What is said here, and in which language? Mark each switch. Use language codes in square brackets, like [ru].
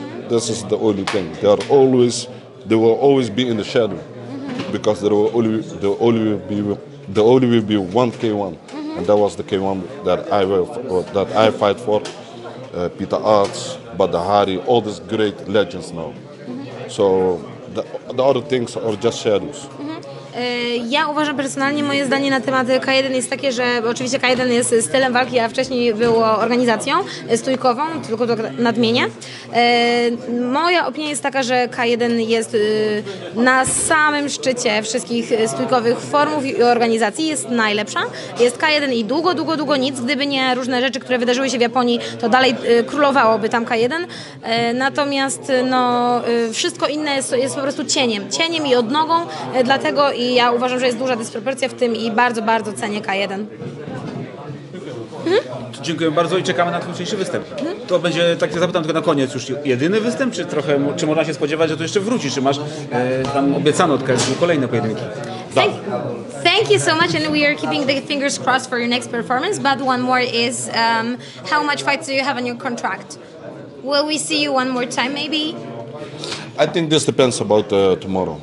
[en] This is the only thing. They will always be in the shadow, because there will only be one K1, and that was the K1 that I fight for, Peter Arts, Badahari, all these great legends now. So the other things are just shadows. [pl] Ja uważam personalnie, moje zdanie na temat K1 jest takie, że oczywiście K1 jest stylem walki, a wcześniej było organizacją stójkową, tylko to nadmienię. Moja opinia jest taka, że K1 jest na samym szczycie wszystkich stójkowych formów i organizacji, jest najlepsza. Jest K1 i długo, długo, długo nic. Gdyby nie różne rzeczy, które wydarzyły się w Japonii, to dalej królowałoby tam K1. Natomiast wszystko inne jest po prostu cieniem i odnogą, dlatego i ja uważam, że jest duża dysproporcja w tym i bardzo, bardzo cenię K1. Dziękuję bardzo i czekamy na twój występ. To będzie, tak się zapytam tylko na koniec, już jedyny występ, czy można się spodziewać, że to jeszcze wróci, czy masz tam obiecane od KSW kolejne pojedynki? [en] Thank you so much, and we are keeping the fingers crossed for your next performance, but one more is, how much fights do you have on your contract? Will we see you one more time, maybe? I think this depends about tomorrow.